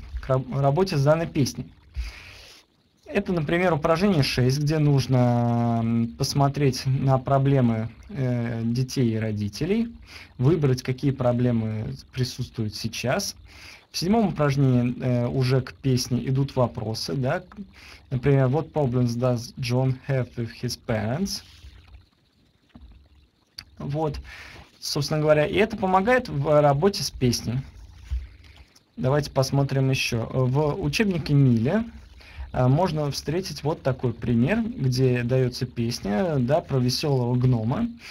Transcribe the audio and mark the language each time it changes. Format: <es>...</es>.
<ru>работе с данной песней. Это, например, упражнение 6, где нужно посмотреть на проблемы детей и родителей, выбрать, какие проблемы присутствуют сейчас. В седьмом упражнении уже к песне идут вопросы, да? Например,</ru> <en>what problems does John have with his parents?</en> <ru>Вот, собственно говоря, и это помогает в работе с песней. Давайте посмотрим еще. В учебнике Миля можно встретить вот такой пример, где дается песня, да, про веселого гнома.</ru>